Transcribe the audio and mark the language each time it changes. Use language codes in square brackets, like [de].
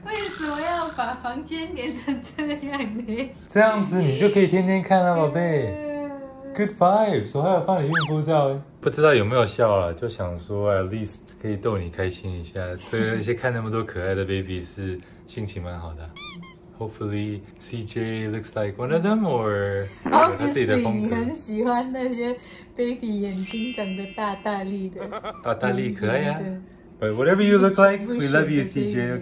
[zh] 为什么要把房间连成这样呢？这样子你就可以天天看了，宝贝。 [en] Good vibes， [zh] 我还有放你孕妇照哎。不知道有没有笑了，就想说 [en] at least [zh] 可以逗你开心一下。这个一些看那么多可爱的 baby 是心情蛮好的。 [en] Hopefully CJ looks like one of them or [zh] 他自己的风格。你很喜欢那些 baby 眼睛长得大大力的。大大力可爱呀、啊。 [en] But whatever you look like, we love you, CJ.